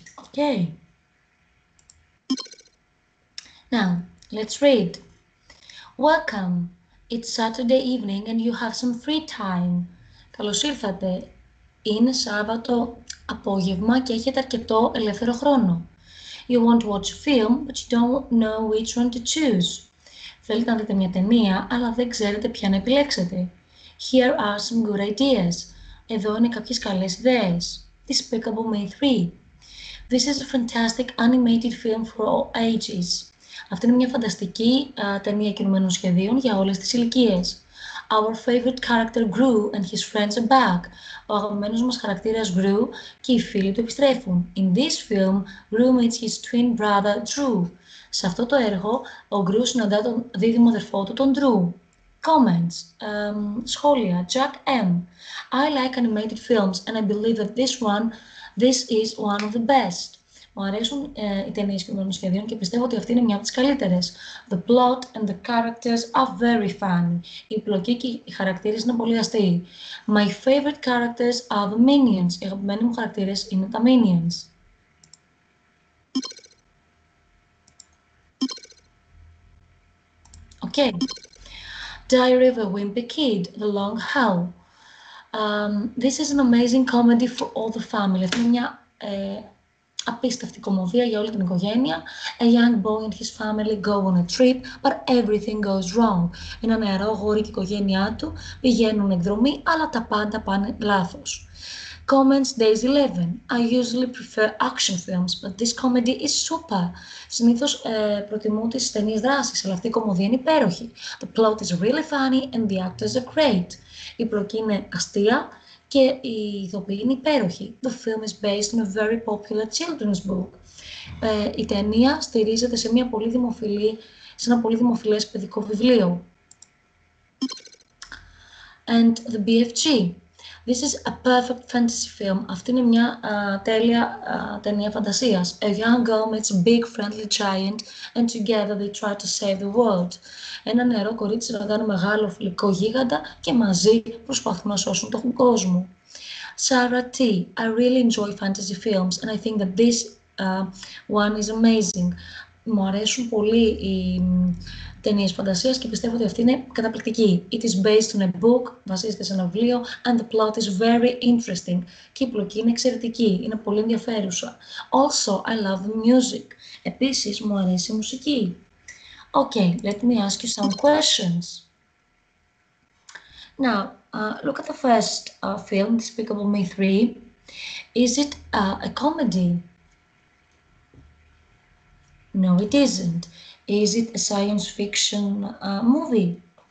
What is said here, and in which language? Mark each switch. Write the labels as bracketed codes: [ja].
[en] Okay. Now, let's read. Welcome. It's Saturday evening and you have some free time. [el] Καλώς ήρθατε. Είναι Σάββατο απόγευμα και έχετε αρκετό ελεύθερο χρόνο. [en] You want to watch a film, but you don't know which one to choose. [el] Θέλετε να δείτε μια ταινία, αλλά δεν ξέρετε ποια να επιλέξετε. [en] Here are some good ideas. [el] Εδώ είναι κάποιες καλές ιδέες. [en] Despicable Me 3. This is a fantastic animated film for all ages. [el] Αυτή είναι μια φανταστική ταινία κινουμένων σχεδίων για όλες τις ηλικίες. [en] Our favorite character Gru and his friends are back. [el] Ο αγαπημένος μας χαρακτήρας Gru και οι φίλοι του επιστρέφουν. [en] In this film, Gru meets his twin brother Drew. [el] Σε αυτό το έργο, ο Gru συναντά τον δίδυμο αδερφό του, τον Drew. [en] Comments. [el] Σχόλια. [en] Jack M. I like animated films and I believe that this is one of the best. [el] Μου αρέσουν οι ταινίες κινουμένων σχεδίων και πιστεύω ότι αυτή είναι μια από τις καλύτερες. [en] The plot and the characters are very funny. [el] Η πλοκή και οι χαρακτήρες είναι πολύ αστείοι. [en] My favorite characters are the minions. [el] Οι αγαπημένοι μου χαρακτήρες είναι τα minions. [en] Okay. Diary of a Wimpy Kid, The Long Hall. This is an amazing comedy for all the family. [el] Αυτή είναι μια απίστευτη κωμωδία για όλη την οικογένεια. [en] A young boy and his family go on a trip, but everything goes wrong. [el] Ένα νεαρό γόρι και η οικογένειά του πηγαίνουν εκδρομή, αλλά τα πάντα πάνε λάθος. [en] Comments Days 11. I usually prefer action films, but this comedy is super. [el] Συνήθως προτιμώ τις ταινίες δράσης, αλλά αυτή η κωμωδία είναι υπέροχη. [en] The plot is really funny and the actors are great. [el] Η πλοκή είναι αστεία και η ηθοποιή είναι υπέροχη. [en] The film is based on a very popular children's book. [el] Η ταινία στηρίζεται σε μια πολύ δημοφιλή, σε ένα πολύ δημοφιλές παιδικό βιβλίο. [en] And the BFG. This is a perfect fantasy film. [el] Αυτή είναι μια τέλεια ταινία φαντασίας. [en] A young girl meets a big friendly giant and together they try to save the world. [el] Ένα νεαρό κορίτσι ρωτά ένα μεγάλο φιλικό γίγαντα και μαζί προσπαθούν να σώσουν τον κόσμο. [en] Sarah T. I really enjoy fantasy films and I think that this one is amazing. [el] Μου αρέσουν πολύ οι ταινίες φαντασίας και πιστεύω ότι αυτή είναι καταπληκτική. [en] It is based on a book, [el] βασίζεται σε ένα βιβλίο, [en] and the plot is very interesting. [el] Και η πλοκή είναι εξαιρετική, είναι πολύ ενδιαφέρουσα. [en] Also, I love the music. [el] Επίσης, μου αρέσει η μουσική. [en] Okay, let me ask you some questions. Now, look at the first film, Despicable Me 3. Is it a comedy? No, it isn't. Is it a science fiction movie?